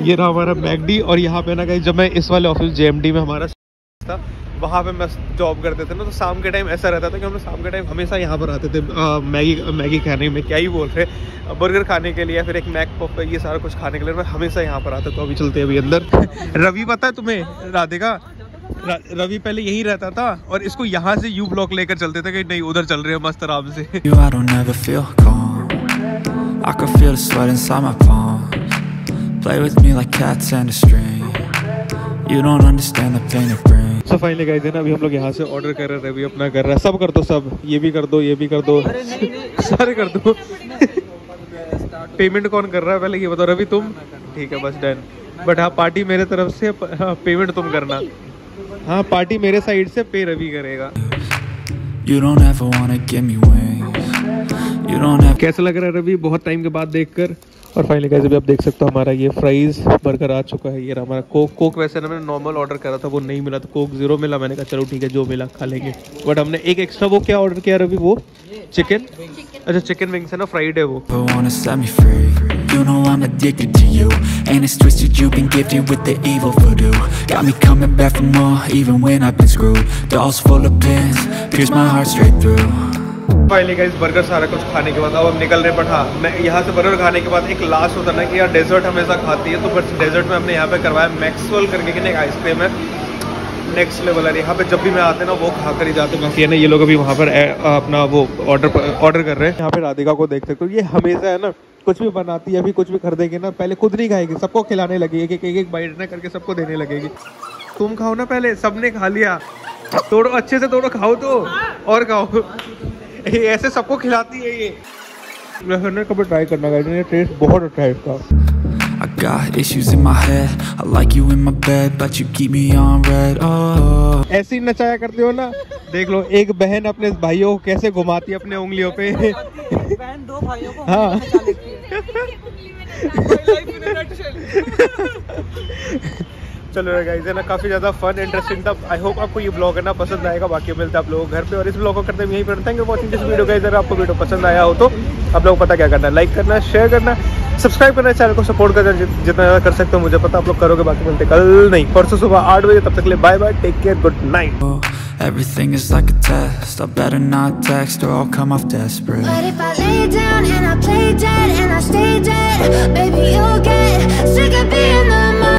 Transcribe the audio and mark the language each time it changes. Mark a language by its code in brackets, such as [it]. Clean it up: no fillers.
[hi] ये रहा हमारा मैकडी और यहाँ पे ना गाइस जब मैं इस वाले ऑफिस JMD में हमारा था वहाँ पे मैं जॉब करते थे ना, तो शाम के टाइम ऐसा रहता था कि हम लोग शाम के टाइम हमेशा यहाँ पर आते थे मैगी खाने में, क्या ही बोल रहे, बर्गर खाने के लिए फिर एक मैक पॉप ये सारा कुछ खाने के लिए मैं हमेशा यहाँ पर आता। तो अभी चलते हैं अभी अंदर। रवि पता है तुम्हें राधिका, रवि पहले यही रहता था और इसको यहाँ से यू ब्लॉक लेकर चलते थे कि नहीं उधर चल रहे हो मस्त आराम से। [en] You, I don't ever feel calm. I can feel the sweat inside my palms. Play with me like cats and a string. You don't understand the pain of pain. So finally guys [hi] है ना अभी हम लोग यहाँ से order कर रहे हैं, रवि अपना कर रहा है, सब कर दो, सब ये भी कर दो सारे कर दो। पेमेंट कौन कर रहा है पहले ये बताओ, रवि तुम? ठीक है बस डन, बट हाँ पार्टी मेरे तरफ से, पेमेंट तुम करना। हाँ पार्टी मेरे साइड से, पे रवि करेगा। [en] You don't ever wanna give me wings. You don't have... [hi] कैसा लग रहा है रवि बहुत टाइम के बाद देखकर? और फाइनली गाइस अभी आप देख सकते हो हमारा ये फ्राइज बर्गर आ चुका है। ये रहा हमारा कोक, वैसे ना मैंने नॉर्मल ऑर्डर करा था वो नहीं मिला, तो कोक जीरो मिला, मैंने कहा चलो ठीक है जो मिला खा लेंगे। बट हमने एक एक्स्ट्रा वो क्या ऑर्डर किया रवि, वो चिकन, अच्छा चिकन विंग्स है ना, फ्राइड है वो। [en] I wanna set me free. You know I'm addicted to you and it's twisted you've been gifted with the evil voodoo. Got me coming back for more even when I've been screwed. Dolls full of pins, pierce my heart straight through. [hi] Finally guys burger सारा कुछ खाने के बाद अब हम निकल रहे हैं। बट हाँ मैं यहाँ से बर्गर खाने के बाद एक लास्ट होता ना कि यार डेजर्ट हमेशा खाती है, तो बस डेजर्ट में हमने यहाँ पे करवाया मैक्सवेल करके कि एक आइसक्रीम है नेक्स्ट लेवल है, यहाँ पे जब भी मैं आते ना वो खा कर ही जाते हैं। ये लोग अभी वहाँ पर अपना वो ऑर्डर कर रहे हैं। यहाँ पे राधिका को देखते हो, ये हमेशा है ना कुछ भी बनाती है, अभी कुछ भी खरीदेंगे ना पहले खुद नहीं खाएगी, सबको खिलाने लगेगी, एक एक बाइट ना करके सबको देने लगेगी। तुम खाओ ना पहले, सबने खा लिया, तोड़ो अच्छे से तोड़ो, खाओ तो और खाओ, ऐसे सबको खिलाती है ये। कभी ट्राई करना गाइस, ये टेस्ट बहुत अच्छा है इसका। [en] I got issues in my head. I like you in my bed, but you keep me on red. [hi] Oh. ऐसे ही नचाया करते हो ना? देख लो एक बहन अपने भाइयों को कैसे घुमाती है अपने उंगलियों पे। बहन दो भाइयों को हाँ। चलो गाइस ना काफी ज्यादा फन इंटरेस्टिंग था, [en] I hope [hi] आपको ये ब्लॉग ना पसंद आएगा। बाकी मिलते हैं आप लोगों घर पे और इस ब्लॉग को करते हैं यहीं पर। [en] thank you watching this video guys, [hi] अगर आपको वीडियो पसंद आया हो तो आप लोग पता क्या करना, लाइक करना, शेयर करना, सब्सक्राइब करना, चैनल को सपोर्ट करना जितना ज्यादा कर सकते हो, मुझे पता आप लोग करोगे। बाकी मिलते कल नहीं परसों सुबह 8 बजे, तब तक के लिए [en] Bye bye, take care, good night. Everything is like a test, I better not text or I'll come off desperate. But if I lay down and I play dead and I stay dead, baby you'll get sick of being the mom.